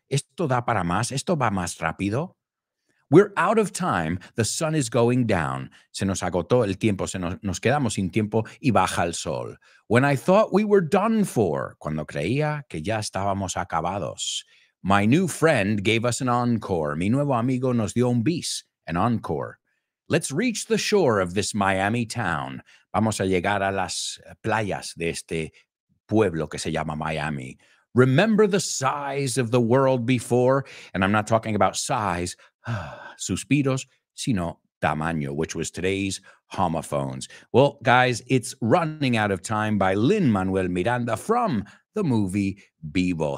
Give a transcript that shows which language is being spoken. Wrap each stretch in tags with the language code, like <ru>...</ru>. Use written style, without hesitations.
<es>Esto da para más, esto va más rápido.</es> <en>We're out of time, the sun is going down.</en> <es>Se nos agotó el tiempo, nos quedamos sin tiempo y baja el sol.</es> <en>When I thought we were done for,</en> <es>cuando creía que ya estábamos acabados.</es> <en>My new friend gave us an encore.</en> <es>Mi nuevo amigo nos dio un bis,</es> <en>an encore. Let's reach the shore of this Miami town.</en> <es>Vamos a llegar a las playas de este pueblo que se llama Miami.</es> <en>Remember the size of the world before, and I'm not talking about size,</en> <es>suspiros, sino tamaño,</es> <en>which was today's homophones. Well, guys, it's Running Out of Time by Lin-Manuel Miranda from the movie Vivo.</en>